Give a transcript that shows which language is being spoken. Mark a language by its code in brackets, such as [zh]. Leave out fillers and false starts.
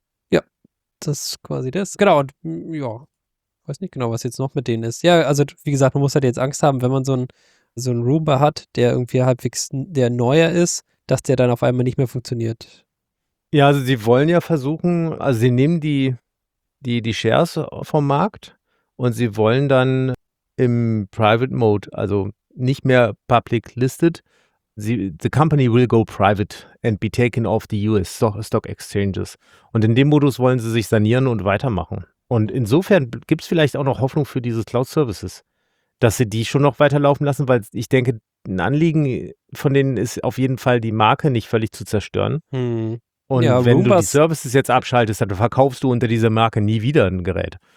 [de] Ja, das ist quasi das. Genau, und ja, weiß nicht genau, was jetzt noch mit denen ist. Ja, also wie gesagt, man muss halt jetzt Angst haben, wenn man so einen Roomba hat, der irgendwie halbwegs der neuer ist, dass der dann auf einmal nicht mehr funktioniert. Ja, also sie wollen ja versuchen, also sie nehmen die Shares vom Markt und sie wollen dann im Private Mode, also nicht mehr public listed. [en] The company will go private and be taken off the US stock exchanges. [de] Und in dem Modus wollen sie sich sanieren und weitermachen. Und insofern gibt es vielleicht auch noch Hoffnung für dieses Cloud Services, dass sie die schon noch weiterlaufen lassen, weil ich denke, ein Anliegen von denen ist auf jeden Fall, die Marke nicht völlig zu zerstören. Hm. Und ja, wenn Roombas, du die Services jetzt abschaltest, dann verkaufst du unter dieser Marke nie wieder ein Gerät.